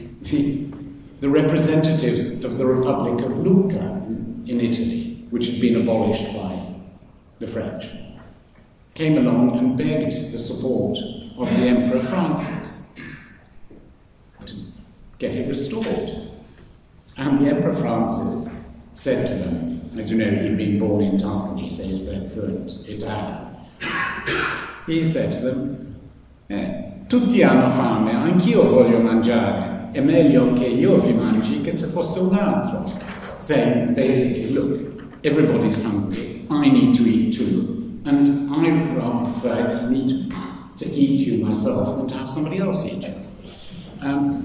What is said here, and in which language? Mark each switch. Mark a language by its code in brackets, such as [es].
[en] the representatives of the Republic of Lucca in Italy, which had been abolished by the French, came along and begged the support of the Emperor Francis to get it restored. And the Emperor Francis said to them, as you know, he'd been born in Tuscany, so he spoke fluent Italian. He said to them, [it] tutti hanno fame, anch'io voglio mangiare, è meglio che io vi mangi che se fosse un altro. [en] Saying basically, look, everybody's hungry, I need to eat too, and I rather prefer to eat you myself than to have somebody else eat you.